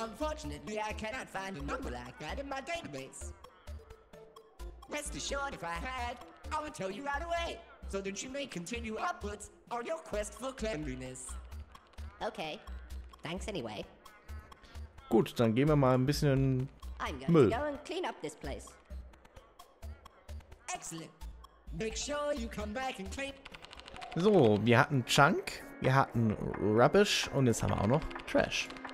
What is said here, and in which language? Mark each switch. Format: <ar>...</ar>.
<en>Unfortunately, I cannot find a number like that in my database. Rest assured, if I had, I would tell you right away, so that you may continue upwards on your quest for cleanliness. Okay, thanks anyway.</en> <de>Gut, dann gehen wir mal ein bisschen in</de> <en>I'm going</en> <de>Müll.</de> <en>To go and clean up this place. Excellent. Make sure you come back and clean.</en> <de>So, wir hatten Chunk, wir hatten Rubbish und jetzt haben wir auch noch Trash.</de>